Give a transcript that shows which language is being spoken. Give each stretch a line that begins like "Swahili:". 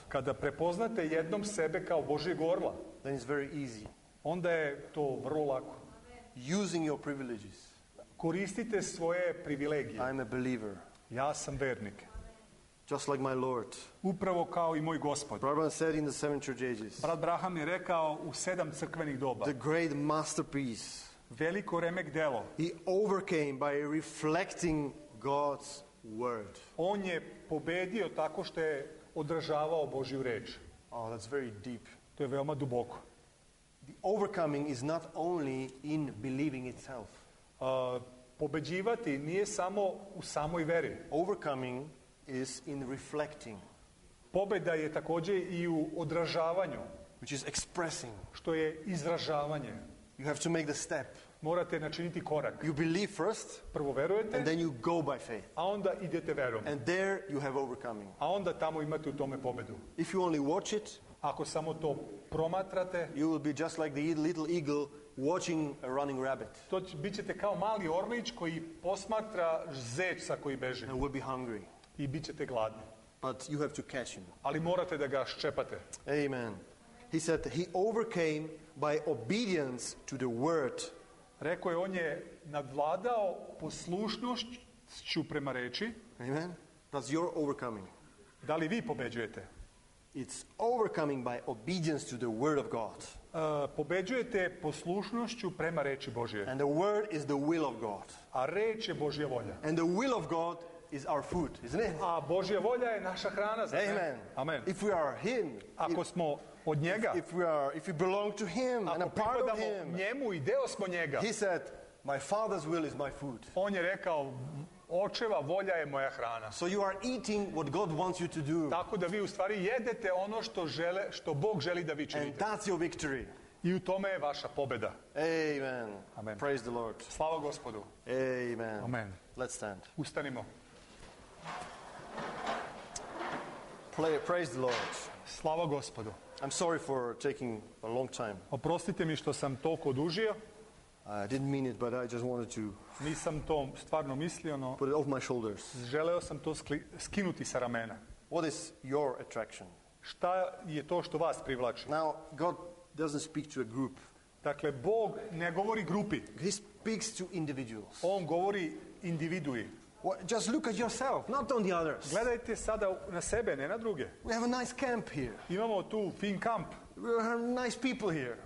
Serbian: Kada prepoznate jednom sebe kao Božjeg orla.
English: Then it's very easy.
Serbian: Onda je to vrlo lako.
English: Using your privileges.
Serbian: Koristite svoje privilegije.
English: I'm a believer.
Serbian: Ja sam vernik.
English: Just like my Lord.
Serbian: Upravo kao i moj Gospod.
English: Brother said in the seven church ages.
Serbian: Brat Braham je rekao u sedam crkvenih doba.
English: The great masterpiece.
Serbian: Veliko remek-delo.
English: He overcame by reflecting God's word.
Serbian: On je pobedio tako što je odražavao Božju reč.
English: Oh, that's very deep.
Serbian: To je veoma duboko.
English: The overcoming is not only in believing itself.
Serbian: Pobeđivati nije samo u samoj veri.
English: Overcoming is in reflecting.
Serbian: Pobeda je takođe i u odražavanju,
English: which is expressing,
Serbian: što je izražavanje.
English: You have to make the step.
Serbian: Morate načiniti korak.
English: You believe first,
Serbian: prvo verujete,
English: and then you go by faith.
Serbian: A onda idete verom.
English: And there you have overcoming.
Serbian: A onda tamo imate u tome pobedu.
English: If you only watch it,
Serbian: ako samo to promatrate,
English: you will be just like the little eagle watching a running rabbit.
Serbian: To bićete kao mali orlić koji posmatra zeca koji beži.
English: And will be hungry.
Serbian: I bićete gladni.
English: But you have to catch him.
Serbian: Ali morate da ga ščepate.
English: Amen. He said that he overcame by obedience to the word.
Serbian: Rekao je on je nadvladao poslušnošću prema reči.
English: Amen. That's your overcoming.
Serbian: Da li vi pobeđujete?
English: It's overcoming by obedience to the word of God.
Serbian: Pobeđujete poslušnošću prema reči Božje.
English: And the word is the will of God.
Serbian: A reč je Božja volja.
English: And the will of God is our food, isn't it?
Serbian: A Božja volja je naša hrana.
English: Amen.
Serbian: Amen.
English: If we are him,
Serbian: ako smo od njega,
English: if we belong to him and are part of him,
Serbian: njemu i deo smo njega.
English: He said, my father's will is my food.
Serbian: On je rekao, očeva volja je moja hrana.
English: So you are eating what God wants you to do.
Serbian: Tako da vi u stvari jedete ono što žele, što Bog želi da vi činite.
English: And that's your victory.
Serbian: I u tome je vaša pobeda.
English: Amen.
Serbian: Amen.
English: Praise the Lord.
Serbian: Slava Gospodu.
English: Amen.
Serbian: Amen.
English: Let's stand.
Serbian: Ustanimo.
English: Praise the Lord.
Serbian: Slava Gospodu.
English: I'm sorry for taking a long time.
Serbian: Oprostite mi što sam toliko odužio.
English: I didn't mean it, but I just wanted to.
Serbian: Nisam to stvarno mislio, no.
English: Put it off my shoulders.
Serbian: Želeo sam to skinuti sa ramena.
English: What is your attraction?
Serbian: Šta je to što vas privlači?
English: Now God doesn't speak to a group.
Serbian: Dakle, Bog ne govori grupi.
English: He speaks to individuals.
Serbian: On govori individui.
English: Just look at yourself, not on the others.
Serbian: Gledajte sada na sebe, ne na druge.
English: We have a nice camp here.
Serbian: Imamo tu fin kamp.
English: We have nice people here.